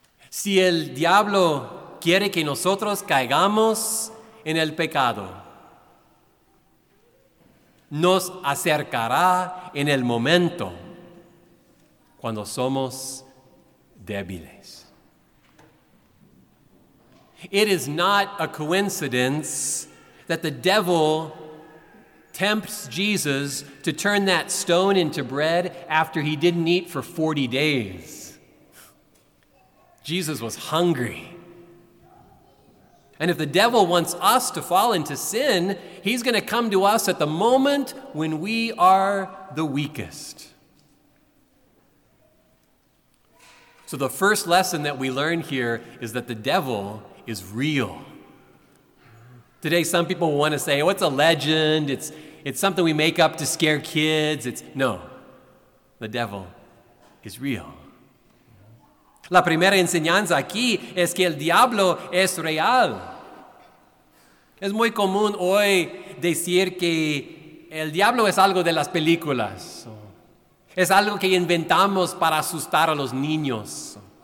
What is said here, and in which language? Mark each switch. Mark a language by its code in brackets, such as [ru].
[es] Si el diablo quiere que nosotros caigamos en el pecado, nos acercará en el momento cuando somos débiles. [en] It is not a coincidence that the devil tempts Jesus to turn that stone into bread after he didn't eat for 40 days. Jesus was hungry. And if the devil wants us to fall into sin, he's going to come to us at the moment when we are the weakest. So the first lesson that we learn here is that the devil is real. Today, some people want to say, oh, it's a legend. It's something we make up to scare kids. No, the devil is real. [es] La primera enseñanza aquí es que el diablo es real. Es muy común hoy decir que el diablo es algo de las películas. Es algo que inventamos para asustar a los niños.